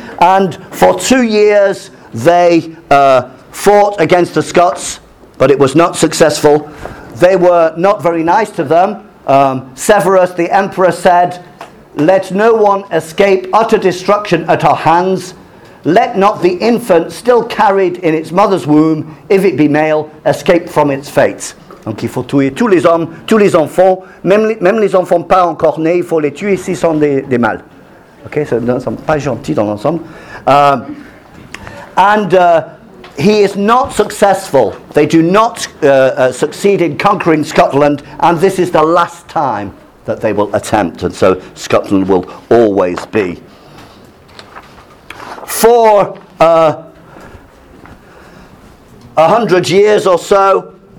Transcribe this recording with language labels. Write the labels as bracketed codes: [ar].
[en] And for 2 years, they... fought against the Scots, but it was not successful. They were not very nice to them. Severus, the emperor, said, let no one escape utter destruction at our hands. Let not the infant still carried in its mother's womb, if it be male, escape from its fate. [fr] Donc il faut tuer tous les hommes, tous les enfants, même les enfants pas encore nés, il faut les tuer s'ils sont des mâles. [en] Okay, so [fr] ils ne sont pas gentils dans l'ensemble. [en] He is not successful. They do not succeed in conquering Scotland, and this is the last time that they will attempt, and so Scotland will always be. for 100 years or so.